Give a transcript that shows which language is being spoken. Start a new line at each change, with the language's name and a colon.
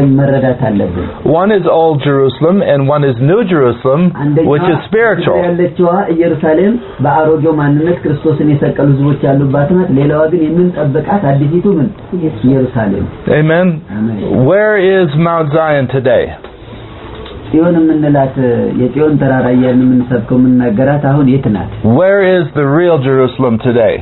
English: One is Old Jerusalem and one is New Jerusalem, which is spiritual. Amen. Where is Mount Zion today?
Amharic: ጽዮን ምንላት የጽዮን ተራራ ያን ምንሰብከው ምንናገራት አሁን የት ናት
English: Where is the real Jerusalem today?